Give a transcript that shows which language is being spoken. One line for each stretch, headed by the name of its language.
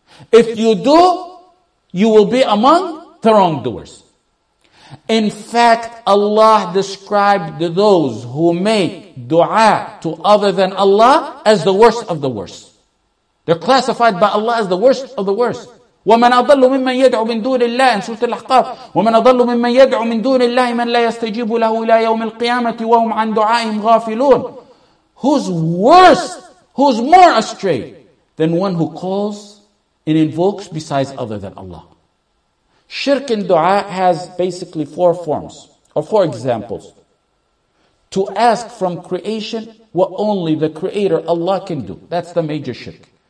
English: If you do, you will be among the wrongdoers. In fact, Allah described those who make dua to other than Allah as the worst of the worst. They're classified by Allah as the worst of the worst.
Arabic: وَمَنْ أَضَلُّ مِمَّنْ يَدْعُ مِنْ دُونِ اللَّهِ In Surah Al-Ahqaf وَمَنْ أَضَلُّ مِمَّنْ يَدْعُ مِنْ دُونِ اللَّهِ مَنْ لَا يَسْتَجِيبُ لَهُ إِلَى يَوْمِ الْقِيَامَةِ وَهُمْ عَنْ دُعَائِهِمْ غَافِلُونَ
English: Who's worse? Who's more astray than one who calls and invokes besides other than Allah? Shirk in dua has basically four forms, or four examples. To ask from creation what only the Creator Allah can do. That's the major shirk.